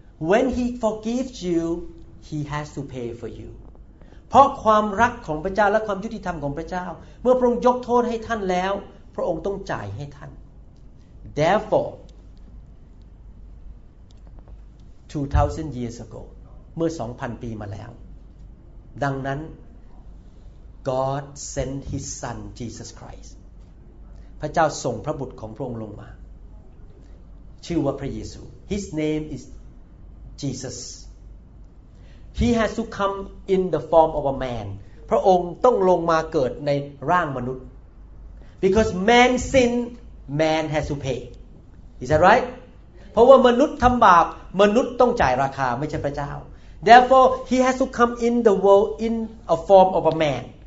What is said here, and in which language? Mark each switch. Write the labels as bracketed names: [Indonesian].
[English] When he forgives you he has to pay for you [Thai] เพราะความรักของพระเจ้าและความยุติธรรมของพระเจ้าเมื่อพระองค์ยกโทษให้ท่านแล้วพระองค์ต้องจ่ายให้ท่าน [English] Therefore, 2,000 years ago, [Thai] เมื่อ 2,000 ปีมาแล้วดังนั้น [English] God sent His Son, Jesus Christ. [Thai] พระเจ้าส่งพระบุตรของพระองค์ลงมาชื่อว่าพระเยซู [English] His name is Jesus. He has to come in the form of a man. [Thai] พระองค์ต้องลงมาเกิดในร่างมนุษย์ [English] Because man sinned,Man has to pay. Is that right? [Thai] เพราะว่ามนุษย์ทำบาปมนุษย์ต้องจ่ายราคาไม่ใช่พระเจ้า [English] Therefore, he has to come in the world in a form of a man.